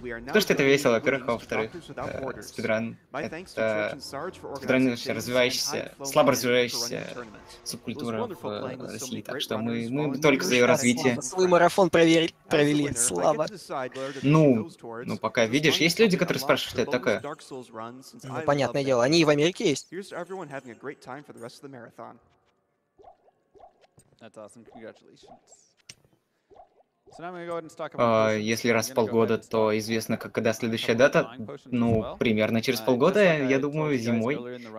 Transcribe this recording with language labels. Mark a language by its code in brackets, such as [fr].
[ru] То, что это весело, во-первых, а во-вторых, спидран. Это спидран, развивающийся, слабо развивающаяся субкультура в России. Так что мы только за ее развитие. Свой марафон провели, слабо. Ну, пока видишь. Есть люди, которые спрашивают, что это такое. Ну, понятное дело, они и в Америке есть. [en] Here's to everyone having a great time for the rest of the marathon. That's awesome. Congratulations. So now I'm gonna go ahead and talk about. [ru] Если раз в полгода, то известно, когда следующая дата. Ну, примерно через полгода, я думаю, зимой.